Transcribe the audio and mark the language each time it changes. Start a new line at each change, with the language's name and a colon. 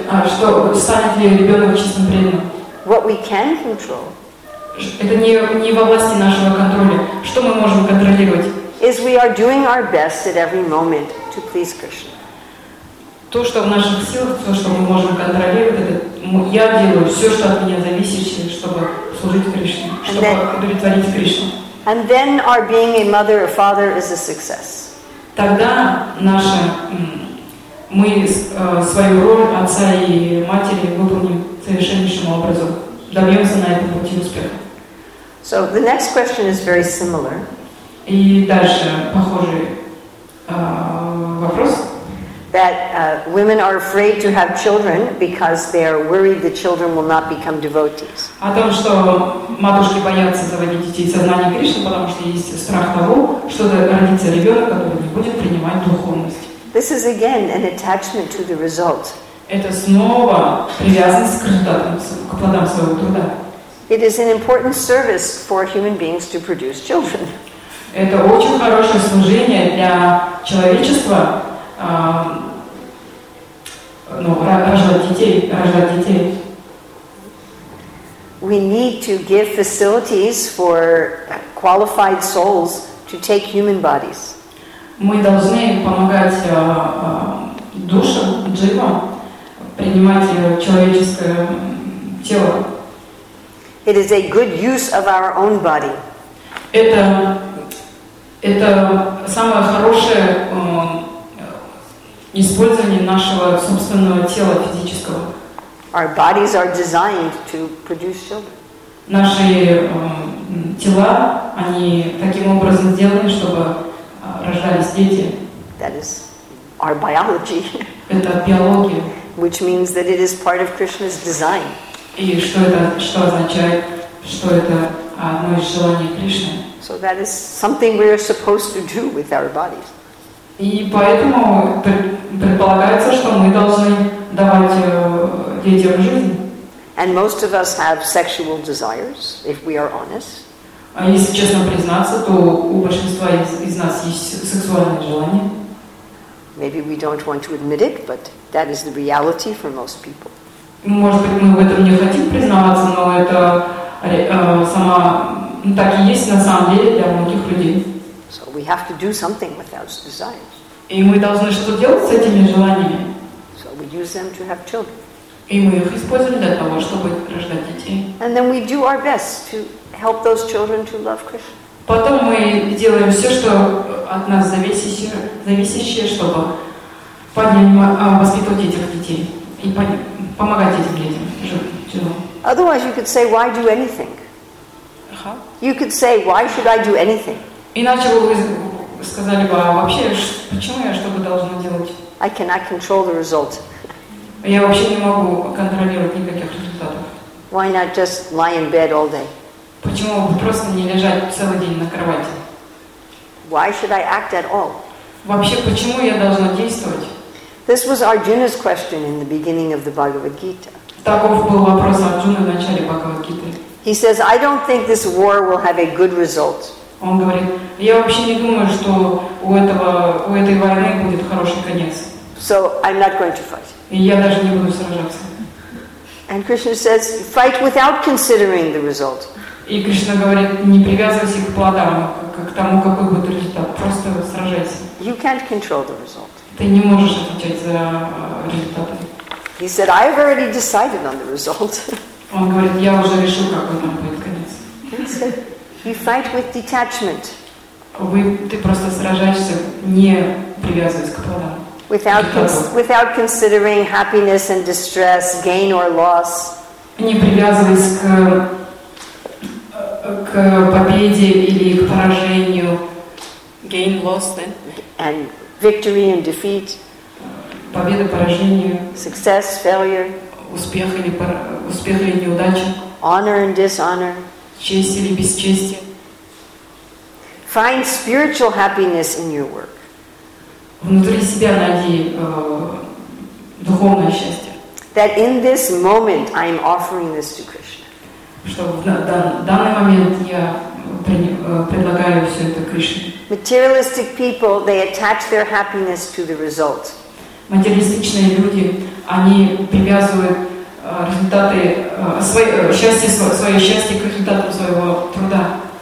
Russian: А что станет ли ребенок чистым преданным?
English: What we can control.
Russian: Это не во власти нашего контроля. Что мы можем контролировать?
English: Is we are doing our best at every moment to please Krishna.
Russian: То, что в наших силах, то, что мы можем контролировать, это я делаю все, что от меня зависит, чтобы служить Кришне, чтобы удовлетворить Кришну.
English: And then our being a mother or father is a success.
Russian: Тогда наша мы свою роль отца и матери выполним совершеннейшим образом. Добьемся на этом пути успеха.
English: So the next question is very similar.
Russian: И дальше похожий вопрос.
English: That women are afraid to have children because they are worried the children will not become devotees.
Russian: О том, что матушки боятся заводить детей в сознание Кришны, потому что есть страх того, что родится ребенок, который не будет принимать духовность.
English: This is again an attachment to the result.
Russian: Это снова привязанность к результатам, к плодам своего труда.
English: It is an important service for human beings to produce children.
Russian: Это очень хорошее служение для человечества ну, рожать детей, рожать детей.
English: We need to give facilities for qualified souls to take human bodies.
Russian: Мы должны помогать душам, дживам принимать человеческое тело.
English: It is a good use of our own body.
Russian: Это самое хорошее использование нашего собственного тела физического.
English: Our bodies are designed to produce children.
Russian: Наши тела, они таким образом сделаны, чтобы рождались дети.
English: That is our biology.
Russian: Это биология.
English: Which means that it is part of Krishna's design.
Russian: И что означает, что это одно из желаний Кришны.
English: So that is something we are supposed to do with our bodies.
Russian: И поэтому предполагается, что мы должны давать детям жизнь.
English: And most of us have sexual desires, if we are honest.
Russian: А если честно признаться, то у большинства из нас есть сексуальные желания.
English: Maybe we don't want to admit it, but that is the reality for most people.
Russian: Может быть, мы в этом не хотим признаваться, но это сама так и есть на самом деле для многих людей.
English: So we have to do something with those desires.
Russian: И мы должны что-то делать с этими желаниями.
English: So we use them to have children.
Russian: И мы их используем для того, чтобы рождать детей.
English: And then we do our best to help those children to love Krishna.
Russian: Потом мы делаем все, что от нас зависящее, чтобы воспитывать этих детей и помогать этим детям.
English: Otherwise, you could say, why do anything? You could say, why should I do anything?
Russian: Иначе бы вы сказали бы, а вообще, почему я что-то должна делать?
English: I cannot control the result.
Russian: Я вообще не могу контролировать никаких результатов.
English: Why not just lie in bed all day?
Russian: Почему бы просто не лежать целый день на кровати?
English: Why should I act at all?
Russian: Вообще, почему я должна действовать?
English: This was Arjuna's question in the beginning of the Bhagavad Gita.
Russian: Таков был вопрос Арджуны в начале Бхагавад Гиты.
English: He says, I don't think this war will have a good result.
Russian: Он говорит, я вообще не думаю, что у этой войны будет хороший конец.
English: So I'm not going to fight.
Russian: И я даже не буду сражаться.
English: And Krishna says, fight without considering the result.
Russian: И Кришна говорит, не привязывайся к плодам, к тому, какой будет результат. Просто сражайся.
English: You can't control the result.
Russian: Ты не можешь отвечать за результаты.
English: He said, I have already decided on the result.
Russian: Он говорит, я уже решил, какой там будет конец.
English: You fight with detachment.
Russian: Ты просто сражаешься, не привязываясь к плодам.
English: Without considering happiness and distress, gain or loss.
Russian: Не привязываясь к победе или к поражению.
English: Gain, loss, then. And victory and defeat.
Russian: Победа, поражение.
English: Success, failure.
Russian: Успех или неудача.
English: Honor and dishonor.
Russian: Честь или бесчестие.
English: Find spiritual happiness in your work.
Russian: Внутри себя найди духовное счастье.
English: That in this moment I am offering this to Krishna.
Russian: Что в данный момент я предлагаю все это Кришне.
English: Materialistic people, they attach their happiness to the result.
Russian: Материалистичные люди, они привязывают результаты свое счастье к результатам своего труда.